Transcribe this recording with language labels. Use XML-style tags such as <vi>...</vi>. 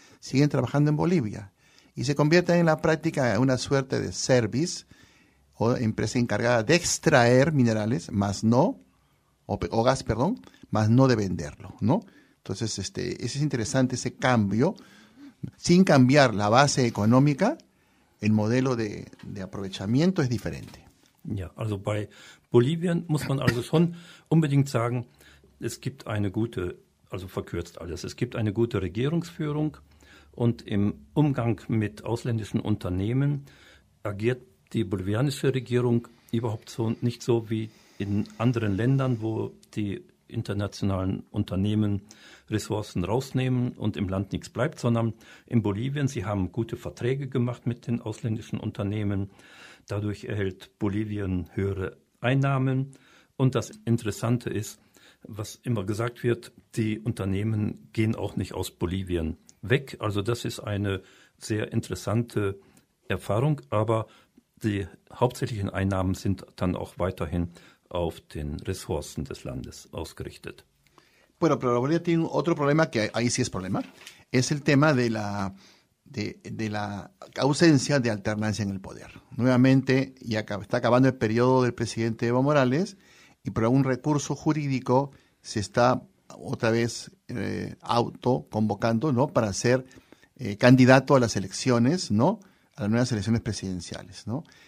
<es>Siguen trabajando en Bolivia. Y se convierte en la práctica en una suerte de service o empresa encargada de extraer minerales, más no de venderlo, ¿no? Entonces, ese es interesante, ese cambio, sin cambiar la base económica, el modelo de aprovechamiento es diferente.</es> <de>Ya, also bei Bolivien muss man also schon unbedingt sagen, es gibt eine gute, also verkürzt alles, es gibt eine gute Regierungsführung und im Umgang mit ausländischen Unternehmen agiert die bolivianische Regierung überhaupt so nicht so wie in anderen Ländern, wo die internationalen Unternehmen Ressourcen rausnehmen und im Land nichts bleibt, sondern in Bolivien, sie haben gute Verträge gemacht mit den ausländischen Unternehmen. Dadurch erhält Bolivien höhere Einnahmen. Und das Interessante ist, was immer gesagt wird, die Unternehmen gehen auch nicht aus Bolivien weg. Also das ist eine sehr interessante Erfahrung, aber die hauptsächlichen Einnahmen sind dann auch weiterhin auf den Ressourcen des Landes ausgerichtet.</de> <es>Bueno, pero Bolivia tiene otro problema, que ahí sí es problema, es el tema de la ausencia de alternancia en el poder. Nuevamente, ya está acabando el periodo del presidente Evo Morales, y por algún recurso jurídico se está otra vez autoconvocando, ¿no?, para ser candidato a las elecciones, ¿no?, a las nuevas elecciones presidenciales, ¿no?</es>